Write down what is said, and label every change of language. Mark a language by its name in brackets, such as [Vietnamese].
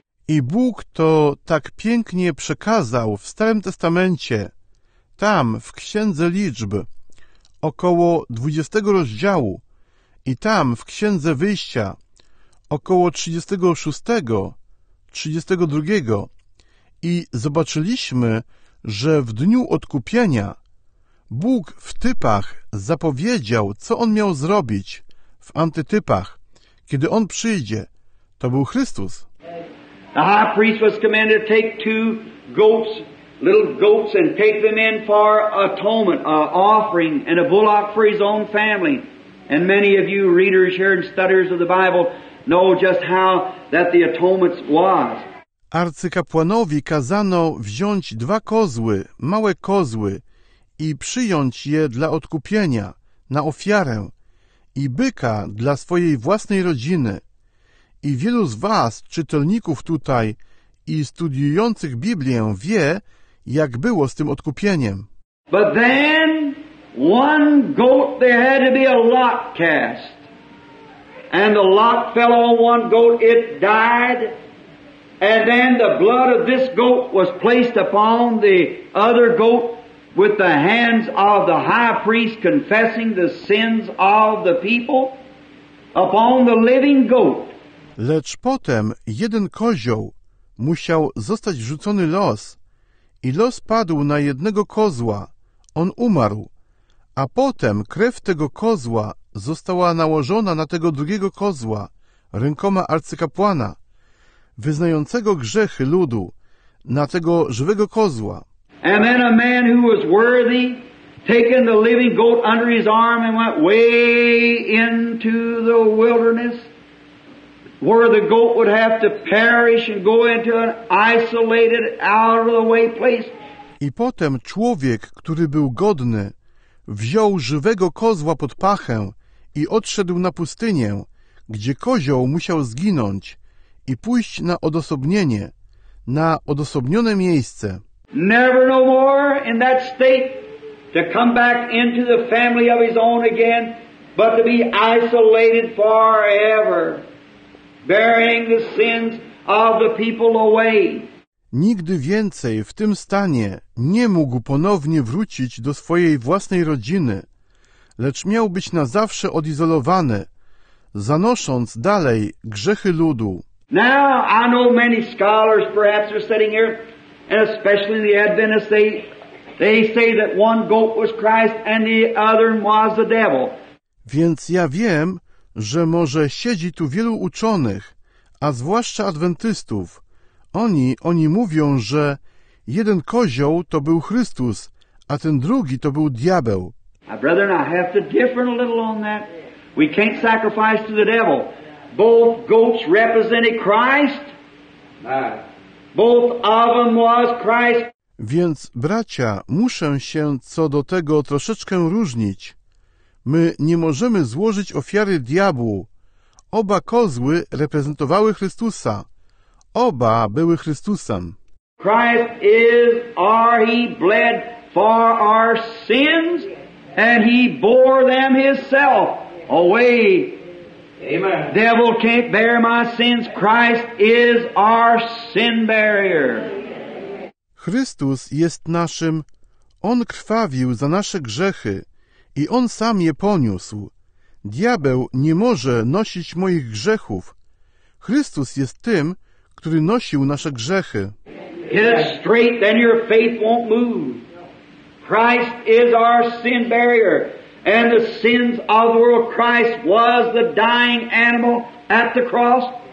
[Polish] I Bóg to tak pięknie przekazał w Starym Testamencie, tam w Księdze Liczb, około 20 rozdziału, i tam w Księdze Wyjścia, około 36, 32. I zobaczyliśmy, że w dniu odkupienia Bóg w typach zapowiedział, co on miał zrobić w antytypach. Kiedy on przyjdzie, to był Chrystus. [English] The high priest was commanded to take two goats, little goats, and take them in for atonement, an offering, and a bullock for his own family. And many of you readers here and studiers of the Bible know just how that the atonement was. [Polish] Arcykapłanowi kazano wziąć dwa kozły, małe kozły, i przyjąć je dla odkupienia, na ofiarę, i byka dla swojej własnej rodziny. I wielu z was, czytelników tutaj i studiujących Biblię, wie, jak było z tym odkupieniem. [English] But then one goat, there had to be a lot cast. And the lot fell on one goat, it died. And then the blood of this goat was placed upon the other goat, with the hands of the high priest confessing the sins of the people upon the living goat. [Polish] Lecz potem jeden kozioł musiał zostać rzucony los, i los padł na jednego kozła. On umarł, a potem krew tego kozła została nałożona na tego drugiego kozła, rękoma arcykapłana, wyznającego grzechy ludu, na tego żywego kozła. [English] And then a man who was worthy, taking the living goat under his arm, and went way into the wilderness, where the goat would have to perish and go into an isolated, out-of-the-way place. [Polish] I potem człowiek, który był godny, wziął żywego kozła pod pachę i odszedł na pustynię, gdzie kozioł musiał zginąć i pójść na odosobnienie, na odosobnione miejsce. [English] Never no more in that state to come back into the family of his own again, but to be isolated forever. bearing the sins of the people away. [Polish] Nigdy więcej w tym stanie nie mógł ponownie wrócić do swojej własnej rodziny, lecz miał być na zawsze odizolowany, zanosząc dalej grzechy ludu. [English] Now I know many scholars perhaps are sitting here, and especially the Adventists, they say that one goat was Christ and the other was the devil. [Polish] Więc ja wiem, że może siedzi tu wielu uczonych, a zwłaszcza adwentystów. Oni mówią, że jeden kozioł to był Chrystus, a ten drugi to był diabeł. [English] My brother and I have to differ a little on that. We can't sacrifice to the devil. Both goats represented Christ. Both of them was Christ. [Polish] Więc, bracia, muszę się co do tego troszeczkę różnić. My nie możemy złożyć ofiary diabłu. Oba kozły reprezentowały Chrystusa. Oba były Chrystusem. [English] Christ is, or he bled for our sins, and he bore them himself away. Amen. Devil can't bear my sins. Christ is our sin barrier. [Polish] Chrystus jest naszym. On krwawił za nasze grzechy i on sam je poniósł. Diabeł nie może nosić moich grzechów. Chrystus jest tym, który nosił nasze grzechy. [English] Get it straight, then your faith won't move. Christ is our sin barrier, and the sins of the world. Christ was the dying animal at the cross.